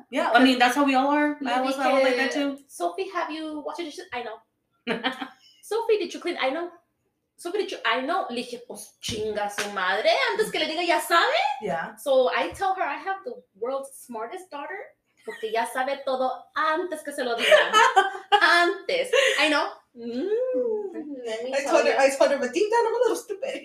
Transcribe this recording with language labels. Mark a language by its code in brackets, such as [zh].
[en] Yeah. I mean, that's how we all are. I was all like that too. Sophie, have you washed your dishes? I know. Sophie, did you clean? I know. Sophie, did you? I know. [es] Le dije, pues chinga su madre. Antes que le diga, ya sabe. [en] Yeah. So I tell her I have the world's smartest daughter. [es] Porque ya sabe todo antes que se lo diga. [en] Antes. I know. I told her, but deep down, I'm a little stupid.